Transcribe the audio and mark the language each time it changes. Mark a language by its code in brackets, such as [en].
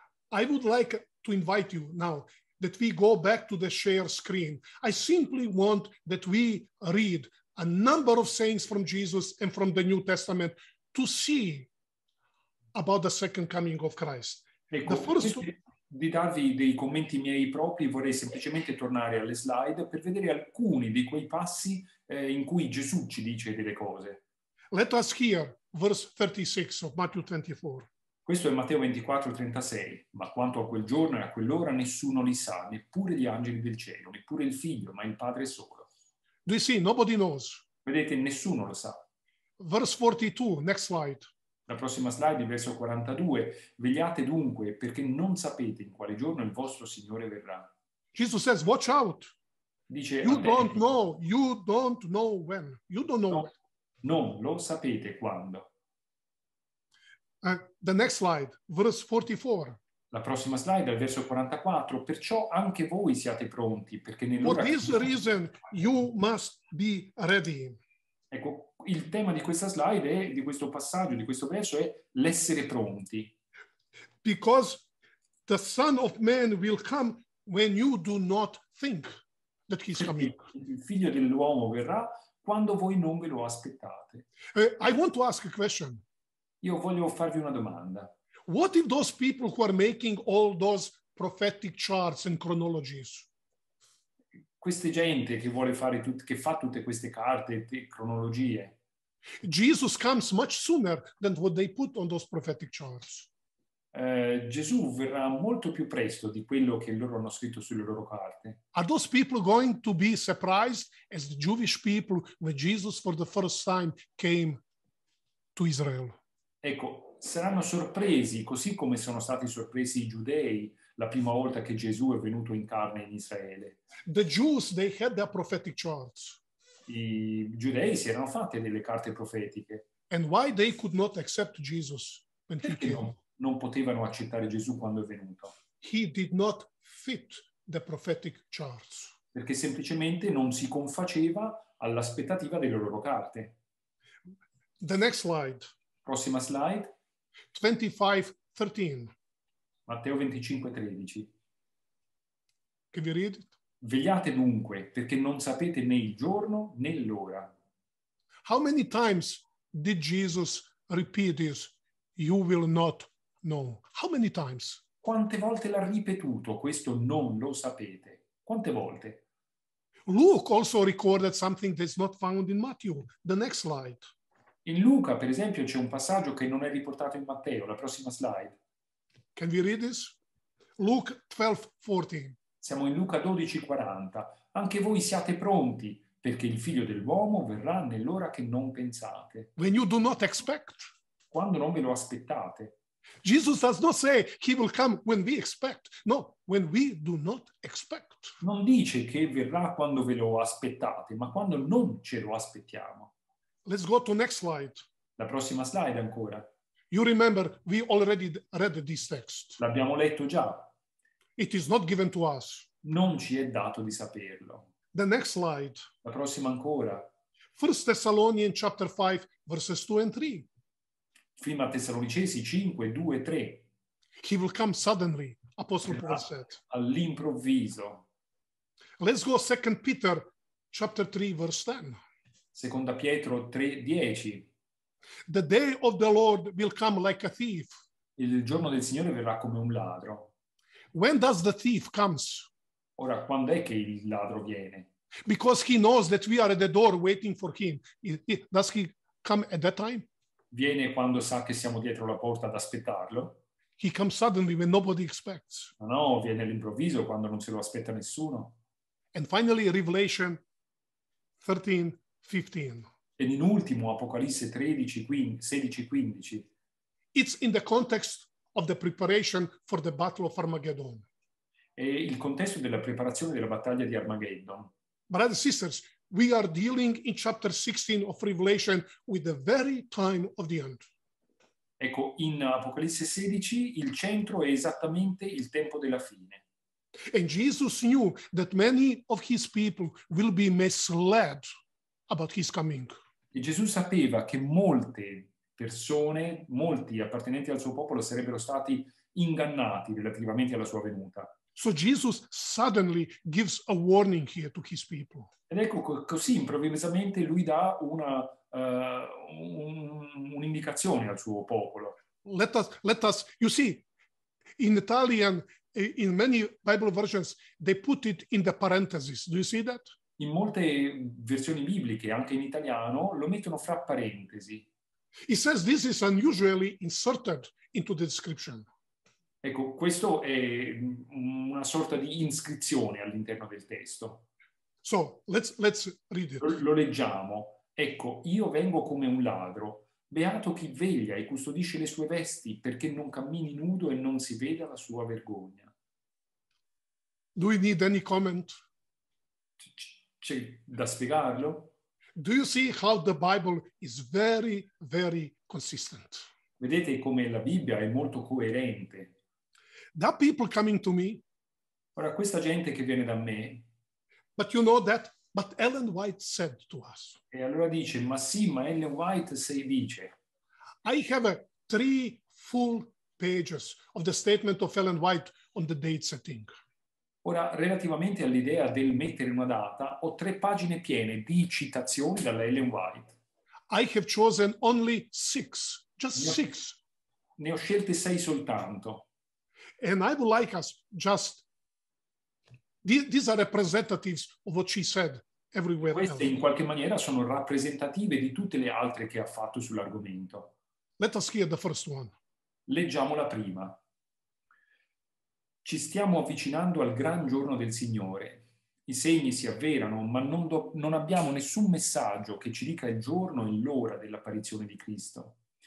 [en] I would like to invite you now that we go back to the share screen. I simply want that we read a number of sayings from Jesus and from the New Testament to see about the second coming of Christ. [it] Ecco, di darvi dei commenti miei propri, vorrei semplicemente tornare alle slide per vedere alcuni di quei passi in cui Gesù ci dice delle cose. [en] Let us hear verse 36 of Matthew 24. [it] Questo è Matteo 24, 36. Ma quanto a quel giorno e a quell'ora nessuno li sa, neppure gli angeli del cielo, neppure il Figlio, ma il Padre solo. [en] Do you see? Nobody knows. [it] Vedete, nessuno lo sa. [en] Verse 42, next slide. [it] La prossima slide, il verso 42. Vegliate dunque, perché non sapete in quale giorno il vostro Signore verrà. [en] Jesus says, watch out. [it] Dice, [en] You don't know when. [it] Non lo sapete quando. [en] The next slide, verse 44. [it] La prossima slide, al verso 44. Perciò anche voi siate pronti, perché nell'ora... [en] For this reason, you must be ready. [it] Ecco, il tema di questa slide, di questo passaggio, di questo verso, è l'essere pronti. [en] Because the Son of Man will come when you do not think that he's coming. [it] Il Figlio dell'uomo verrà quando voi non ve lo aspettate. [en] I want to ask a question. [it] Io voglio farvi una domanda. [en] What if those people who are making all those prophetic charts and chronologies? [it] Queste gente che vuole fare tutte, che fa tutte queste carte e cronologie. [en] Jesus comes much sooner than what they put on those prophetic charts. [it] Gesù verrà molto più presto di quello che loro hanno scritto sulle loro carte. [en] Are those people going to be surprised as the Jewish people when Jesus for the first time came to Israel? [it] Ecco, saranno sorpresi, così come sono stati sorpresi i giudei la prima volta che Gesù è venuto in carne in Israele. [en] The Jews, they had their prophetic charts. [it] I giudei si erano fatte delle carte profetiche. [en] And why they could not accept Jesus when [it] Perché [en] he came? [it] Non potevano accettare Gesù quando è venuto? [en] He did not fit the prophetic charts. [it] Perché semplicemente non si confaceva all'aspettativa delle loro carte. [en] The next slide. [it] Prossima slide. [en] 25:13. [it] Matteo 25:13. [en] Can you read it? [it] Vegliate dunque, perché non sapete né il giorno né l'ora. [en] How many times did Jesus repeat this? You will not know. How many times? [it] Quante volte l'ha ripetuto questo non lo sapete? Quante volte? [en] Luke also recorded something that's not found in Matthew. The next slide. [it] In Luca, per esempio, c'è un passaggio che non è riportato in Matteo. La prossima slide. [en] Can we read this? Luke 12:14. [it] Siamo in Luca 12:40. Anche voi siate pronti, perché il Figlio dell'uomo verrà nell'ora che non pensate. [en] When you do not expect. [it] Quando non ve lo aspettate. [en] Jesus does not say he will come when we expect. No, when we do not expect. [it] Non dice che verrà quando ve lo aspettate, ma quando non ce lo aspettiamo. [en] Let's go to next slide. [it] La prossima slide ancora. [en] You remember, we already read this text. [it] L'abbiamo letto già. [en] It is not given to us. [it] Non ci è dato di saperlo. [en] The next slide. [it] La prossima ancora. [en] 1 Thessalonians chapter 5, verses 2 and 3. [it] Prima Tessalonicesi 5, 2 e 3. [en] He will come suddenly, Apostle Paul said. [it] All'improvviso. [en] Let's go Second Peter chapter 3 verse 10. [it] Seconda Pietro 3:10. [en] The day of the Lord will come like a thief. [it] Il giorno del Signore verrà come un ladro. [en] When does the thief comes? [it] Ora, quando è che il ladro viene? [en] Because he knows that we are at the door waiting for him. Does he come at that time? [it] Viene quando sa che siamo dietro la porta ad aspettarlo. [en] He comes suddenly when nobody expects. [it] No, viene all'improvviso quando non se lo aspetta nessuno. [en] And finally, Revelation 13:15. [it] E in ultimo, Apocalisse 16:15. [en] It's in the context of the preparation for the battle of Armageddon. [it] È il contesto della preparazione della battaglia di Armageddon. [en] Brothers and sisters, we are dealing in chapter 16 of Revelation with the very time of the end. [it] Ecco, in Apocalisse 16 il centro è esattamente il tempo della fine. [en] And Jesus knew that many of his people will be misled about his coming. [it] E Gesù sapeva che molte persone, molti appartenenti al suo popolo sarebbero stati ingannati relativamente alla sua venuta. [en] So Jesus suddenly gives a warning here to his people. [it] Ed ecco così improvvisamente lui dà una un'indicazione al suo popolo. [en] Let us you see in Italian in many Bible versions they put it in the parentheses. Do you see that? [it] In molte versioni bibliche anche in italiano lo mettono fra parentesi. [en] He says this is unusually inserted into the description. [it] Ecco, questo è una sorta di iscrizione all'interno del testo. [en] So, let's read it. [it] Lo leggiamo. Ecco, io vengo come un ladro. Beato chi veglia e custodisce le sue vesti, perché non cammini nudo e non si veda la sua vergogna. [en] Do we need any comment? [it] C'è da spiegarlo? [en] Do you see how the Bible is very, very consistent? [it] Vedete come la Bibbia è molto coerente. [en] That people coming to me. [it] Ora questa gente che viene da me. [en] But you know that. But Ellen White said to us. [it] E allora dice, ma sì, ma Ellen White sei dice. [en] I have three full pages of the statement of Ellen White on the date setting. [it] Ora, relativamente all'idea del mettere una data, ho tre pagine piene di citazioni dalla Ellen White. [en] I have chosen only six, just six. [it] Ne ho scelte sei soltanto. [en] And I would like us just, these are representatives of what she said everywhere. [it] Queste in qualche maniera sono rappresentative di tutte le altre che ha fatto sull'argomento. [en] Let us hear the first one. [it] Leggiamo la prima. Ci stiamo avvicinando al gran giorno del Signore. I segni si avverano, ma non abbiamo nessun messaggio che ci dica il giorno e l'ora dell'apparizione di Cristo.